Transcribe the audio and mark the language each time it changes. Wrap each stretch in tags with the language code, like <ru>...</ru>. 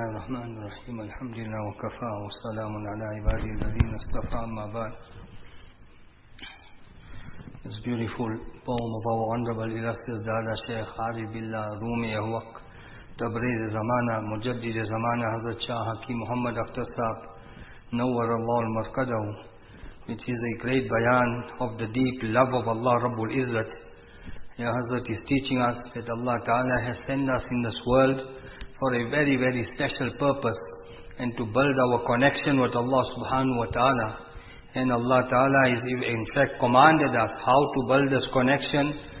<ar>الحمد لله وكفى والسلام على عباده الذين اصطفى ما بعد</ar> <en>This beautiful poem of our honorable illustrious Dada Sheikh Hari Billah Rumi Ahwak</en> <ur>Tabrez زمانہ مجدد زمانہ حضرت شاہ حکیم محمد اختر صاحب نور اللہ المرقدہ.</ur> <en>It is a great bayan of the deep love of Allah Rabbul Izzat. Your Hazrat is teaching us that Allah Ta'ala has sent us in this world for a very, very special purpose and to build our connection with Allah Subhanahu Wa Ta'ala. And Allah Ta'ala has in fact commanded us how to build this connection.</en>